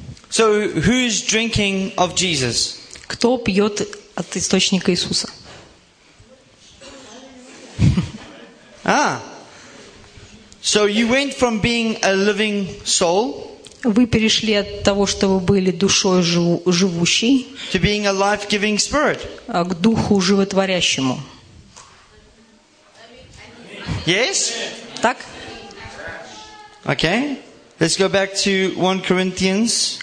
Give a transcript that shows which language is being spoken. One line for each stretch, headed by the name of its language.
English: So who's drinking of Jesus?
Russian: Кто пьет от источника Иисуса? Ah.
English: So you went from being a living soul.
Russian: Вы перешли от того, что вы были душой живущей.
English: To being a life-giving spirit.
Russian: К духу животворящему.
English: Yes?
Russian: Так?
English: Okay. Let's go back to 1 Corinthians.